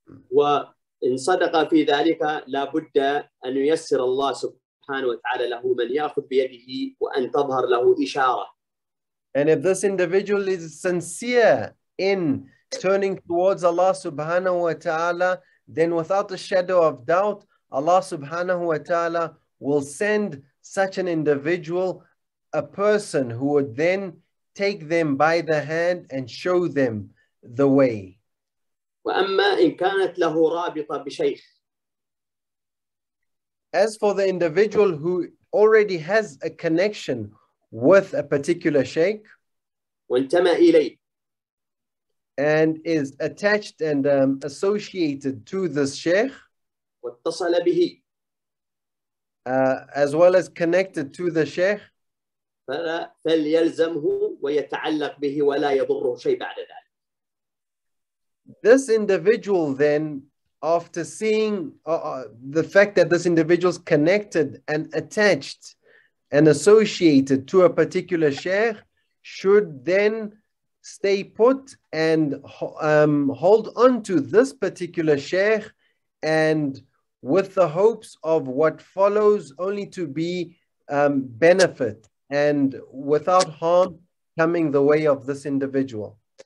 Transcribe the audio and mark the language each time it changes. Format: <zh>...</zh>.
<ar>وإن صدق في ذلك لابد أن ييسر الله سبحانه وتعالى له من يأخذ بيده وأن تظهر له إشارة.</ar> <en>And if this individual is sincere in turning towards Allah subhanahu wa ta'ala, then without a shadow of doubt, Allah subhanahu wa ta'ala will send such an individual a person who would then take them by the hand and show them the way.</en> <ar>وأما إن كانت له رابطة بشيخ.</ar> <en>As for the individual who already has a connection with a particular sheikh,</en> <ar>وانتمى إليه,</ar> <en>and is attached and associated to this sheikh,</en> <ar>واتصل به,</ar> <en>as well as connected to the sheikh,</en> <ar>فليلزمه ويتعلق به ولا يضره شيء بعد ذلك.</ar> <en>This individual then, after seeing the fact that this individual is connected and attached and associated to a particular sheikh, should then stay put and hold on to this particular sheikh, and with the hopes of what follows only to be benefit and without harm coming the way of this individual.</en>